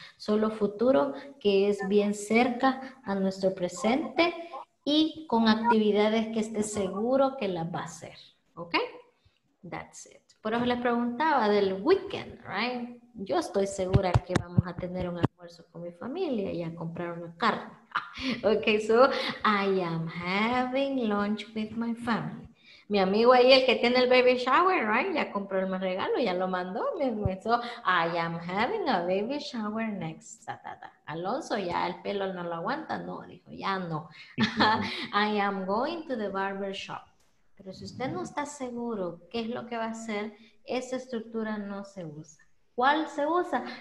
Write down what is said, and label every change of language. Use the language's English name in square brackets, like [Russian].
[Spanish] Solo futuro que es bien cerca a nuestro presente y con actividades que esté seguro que las va a hacer, ¿ok? [English] That's it. [Spanish] Por eso les preguntaba del weekend, ¿right? Yo estoy segura que vamos a tener un almuerzo con mi familia y a comprar una carne. [English] Okay, so I am having lunch with my family. [Spanish] Mi amigo ahí, el que tiene el baby shower, right? Ya compró el más regalo, ya lo mandó. [English] So I am having a baby shower next. [Spanish] Alonso, ya el pelo no lo aguanta. No, dijo, ya no. [English] I am going to the barber shop. [Spanish] Pero si usted no está seguro qué es lo que va a hacer, esa estructura no se usa. ¿Cuál se usa?